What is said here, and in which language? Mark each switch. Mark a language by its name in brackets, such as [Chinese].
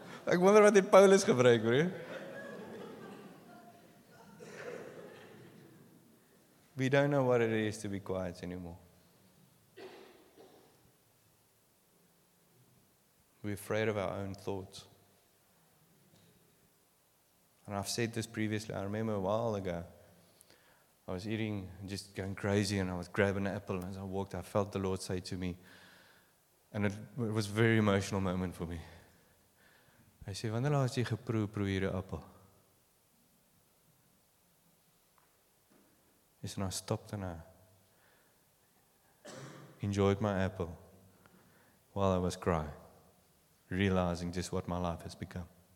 [Afrikaans] Ek wonder wat die Paulus gebruik, broer. [English] We don't know what it is to be quiet anymore. We're afraid of our own thoughts. And I've said this previously, I remember a while ago, I was eating, just going crazy, and I was grabbing an apple, and as I walked, I felt the Lord say to me, and it was a very emotional moment for me. [Afrikaans] Hy sê, wanneer laat jy geproe hierdie appel? Hy sê, [English] and I stopped and I enjoyed my apple while I was crying, realizing just what my life has become.